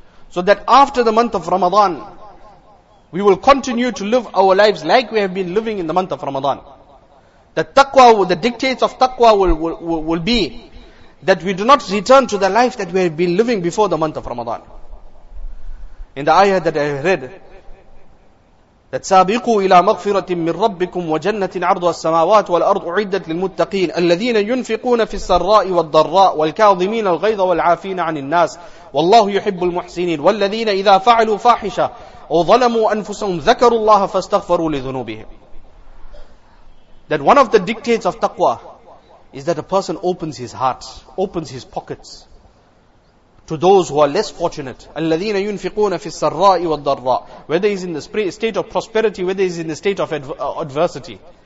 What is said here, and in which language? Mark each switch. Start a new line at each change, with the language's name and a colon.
English: So that after the month of Ramadan, we will continue to live our lives like we have been living in the month of Ramadan. The taqwa, the dictates of taqwa will be that we do not return to the life that we have been living before the month of Ramadan. In the ayah that I have read, that
Arabic: سابقوا إلى مغفرة من ربكم وجنة عرضها السماوات والأرض أعدت للمتقين الذين ينفقون في السراء والضراء والكاظمين الغيظ والعافين عن الناس والله يحب المحسنين والذين إذا فعلوا فاحشة أو ظلموا أنفسهم ذكروا الله فاستغفروا لذنوبهم.
English: That one of the dictates of taqwa is that a person opens his heart, opens his pockets to those who are less fortunate.
Arabic: الَّذِينَ يُنْفِقُونَ فِي السَّرَّاءِ وَالضَّرَّاءِ.
English: Whether he's in the state of prosperity, whether he's in the state of adversity.